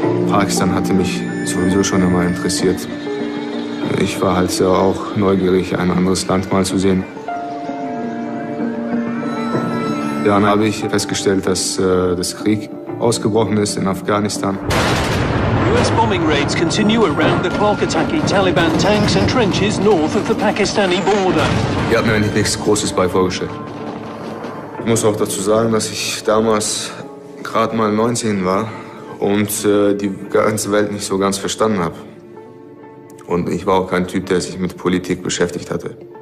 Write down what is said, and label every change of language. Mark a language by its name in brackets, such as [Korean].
[German] Pakistan hatte mich sowieso schon immer interessiert. Ich war halt ja auch neugierig, ein anderes Land mal zu sehen. Dann habe ich festgestellt, dass das Krieg ausgebrochen ist in Afghanistan. [English] US bombing raids continue around the clock, attacking Taliban tanks and trenches north of the Pakistani border. [German] Ich habe mir eigentlich nichts Großes bei vorgestellt. Ich muss auch dazu sagen, dass ich damals gerade mal 19 war und die ganze Welt nicht so ganz verstanden habe. Und ich war auch kein Typ, der sich mit Politik beschäftigt hatte.